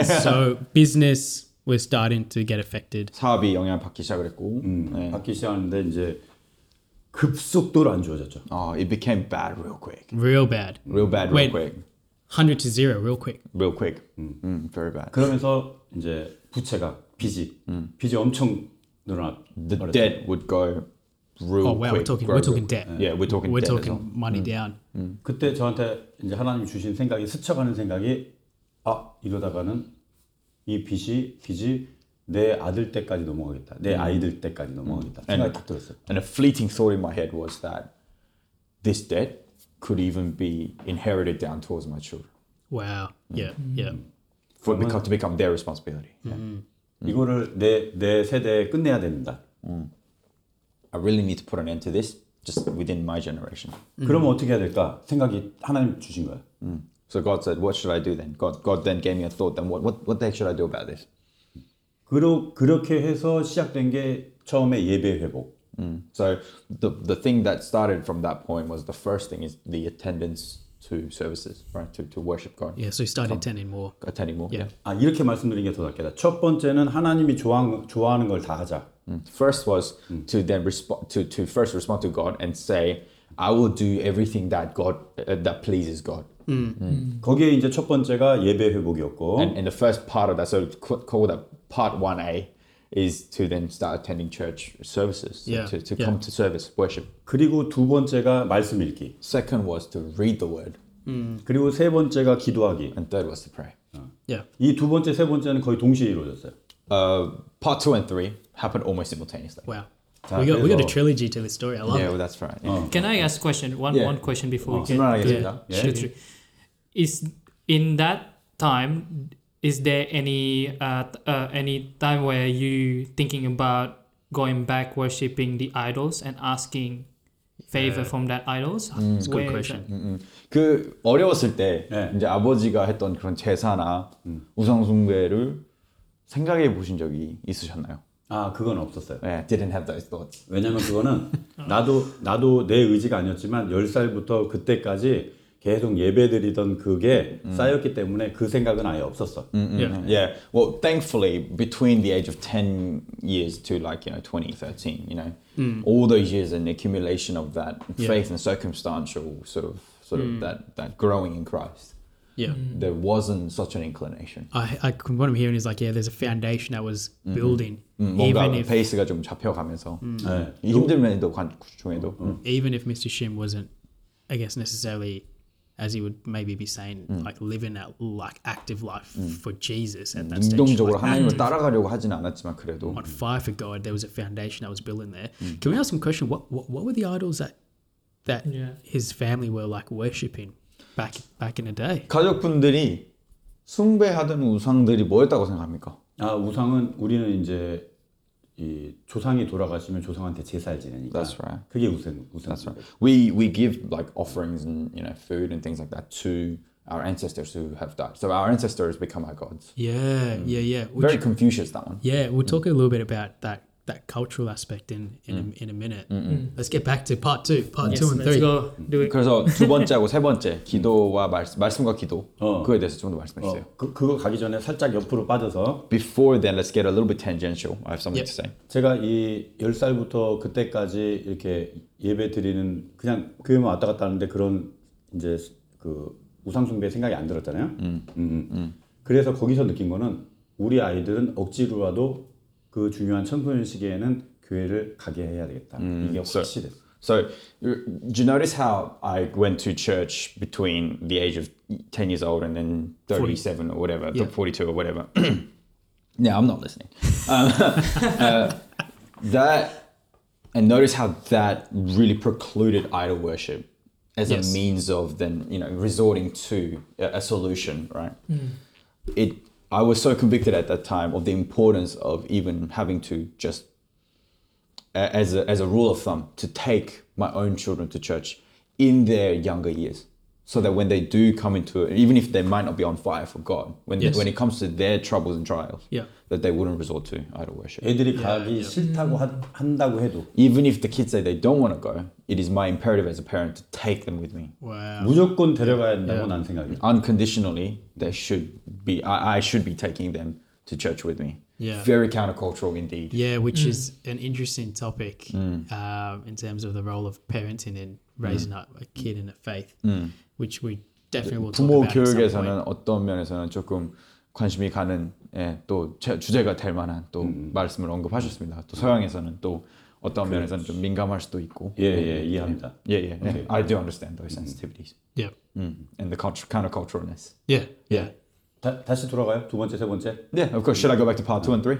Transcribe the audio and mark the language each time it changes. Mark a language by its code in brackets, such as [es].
[en] So business was starting to get affected. [ko] 사업이 영향 받기 시작했고. 네. 받기 시작하는데 이제 급속도로 안 좋아졌죠. [en] It became bad real quick. Real bad. Real bad real quick. 100 to 0 real quick. Real quick. Very bad. [ko] 그러면서 이제 부채가 빚이 빚이 엄청 늘어났죠. [en] The debt would go real quick. Oh, wow, we're talking debt. Yeah, we're talking debt. We're talking money down. [ko] 그때 저한테 이제 하나님 주신 생각이 스쳐가는 생각이 아 이러다가는 이 빚이 내 아들 때까지 넘어가겠다 내 아이들 때까지 넘어가겠다 생각이 딱 들었어요. [en] And a fleeting thought in my head was that this debt could even be inherited down towards my children. Wow. Yeah. Yeah. For to become their responsibility. Yeah. [ko] 이거를 내 세대에 끝내야 된다. [en] I really need to put an end to this. Just within my generation. [ko] 그러면 어떻게 해야 될까? 생각이 하나님 주신 거야. [en] So God said, what should I do then? God then gave me a thought. Then what the heck should I do about this? [ko] 그렇게 해서 시작된 게 처음에 예배 회복. [en] So the thing that started from that point was the first thing is the attendance to services, right? To worship God. Yeah, so you started attending more. Attending more, yeah. [ko] 아, 이렇게 말씀드린 게 더 낫겠다. 첫 번째는 하나님이 좋아하는 걸 다 하자. [en] First was to then respond to first respond to God and say, I will do everything that God that pleases God. [ko] 거기에 이제 첫 번째가 예배 회복이었고, [en] and the first part of that, so call that part 1A, is to then start attending church services, to come to service worship. [ko] 그리고 두 번째가 말씀 읽기. [en] Second was to read the word. [ko] 그리고 세 번째가 기도하기. [en] And third was to pray. Yeah. [ko] 이 두 번째 세 번째는 거의 동시에 이루어졌어요. [en] Part 2 and 3 happened almost simultaneously. Wow. We got a trilogy to this story. I love it. Yeah, that's right. Can I ask a question? One question before we get to the trilogy. Is in that time, is there any time where you thinking about going back worshipping the idols and asking favor from that idols? That's a good question. [ko] 그 어려웠을 때 이제 아버지가 했던 그런 제사나 우상 숭배를 생각해 보신 적이 있으셨나요? 아, 그건 없었어요. [en] Yeah, didn't have those thoughts. [ko] 왜냐면 그거는 나도 내 의지가 아니었지만 10살부터 그때까지 계속 예배드리던 그게 쌓였기 때문에 그 생각은 아예 없었어. [en] Yeah. Well, thankfully between the age of 10 years to like, you know, 2013, you know. All those years and accumulation of that faith and circumstantial sort of that growing in Christ. Yeah, there wasn't such an inclination. I what I'm hearing is like, yeah, there's a foundation that was building. Even if [ko] 페이스가 좀 잡혀가면서 힘든 면도 중에도 [en] even if Mr. Shim wasn't, I guess necessarily, as he would maybe be saying, like living that like active life for Jesus at that stage. [ko] 능동적으로 하나님을 따라가려고 하진 않았지만 그래도 [en] on fire for God, there was a foundation that was building there. Can we ask some question? What were the idols that his family were like worshiping? Back in the day. [ko] 가족분들이 숭배하던 우상들이 뭐였다고 생각합니까? 아, 우상은 우리는 이제 이 조상이 돌아가시면 조상한테 제사를 지내니까. [en] That's right. [ko] 그게 우상. [en] That's right. We give like offerings and, you know, food and things like that to our ancestors who have died. So our ancestors become our gods. Yeah. Very Confucius that one. Yeah, we'll talk a little bit about that that cultural aspect in a minute. Mm-mm. Let's get back to part two, part yes, two and three. Let's go. Do it. [ko] 그래서 두 번째하고 세 번째 기도와 말씀과 기도 그거에 대해서 좀 더 말씀해 주세요. 그거 가기 전에 살짝 옆으로 빠져서. [en] Before then, let's get a little bit tangential. I have something yep. to say. [ko] 제가 이 열 살부터 그때까지 이렇게 예배 드리는 그냥 교회만 왔다 갔다 하는데 그런 이제 그 우상 숭배 생각이 안 들었잖아요. 그래서 거기서 느낀 거는 우리 아이들은 억지로라도 그 중요한 청소년 시기에는 교회를 가게 해야 되겠다. 이게 확실해. [en] So, do you notice how I went to church between the age of 10 years old and then 37 40. Or whatever, yeah. 42 or whatever? Yeah, I'm not listening. that, and notice how that really precluded idol worship as yes. a means of then, you know, resorting to a solution, right? Mm. It. I was so convicted at that time of the importance of even having to just, as a rule of thumb, to take my own children to church in their younger years, so that when they do come into it, even if they might not be on fire for God, when yes. when it comes to their troubles and trials, yeah. that they wouldn't resort to idol worship. [ko] 애들이 가기 싫다고 한다고 해도. [en] Even if the kids say they don't want to go, it is my imperative as a parent to take them with me. Wow. [ko] 무조건 데려가야 된다고 yeah. 난 생각이. [en] Unconditionally, they should be. I should be taking them to church with me. Yeah. Very countercultural indeed. Yeah, which is an interesting topic in terms of the role of parenting in raising up a kid in a faith, which we definitely will talk about. [ko] 부모 교육에서는 어떤 면에서는 조금 관심이 가는 예, 또 주제가 될 만한 또 말씀을 언급하셨습니다. 또 서양에서는 또 어떤 면에서는 좀 민감할 수도 있고. 예, 예, 이해합니다. 예, 예. Okay. [en] I do understand those sensitivities. Yeah. And the counterculturalness. Yeah. Yeah. [ko] 다시 돌아가요? 두 번째, 세 번째? [en] Yeah, of course. Should I go back to part 2 and 3?